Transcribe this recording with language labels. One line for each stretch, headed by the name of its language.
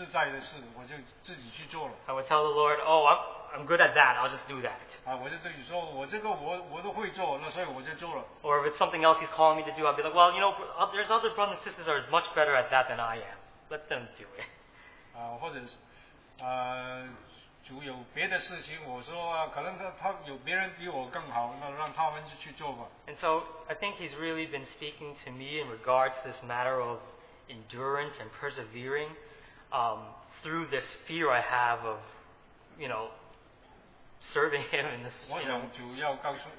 English: I would tell the Lord, oh, I'm good at that, I'll just do that. Or if it's something else he's calling me to do, I'll be like, well, you know, there's other brothers and sisters that are much better at that than I am. Let them do it.
Chinese: 主有别的事情，我说啊，可能他有别人比我更好，那让他们去做吧。
English: And so I think he's really been speaking to me in regards to this matter of endurance and persevering through this fear I have of, you know, serving him in this.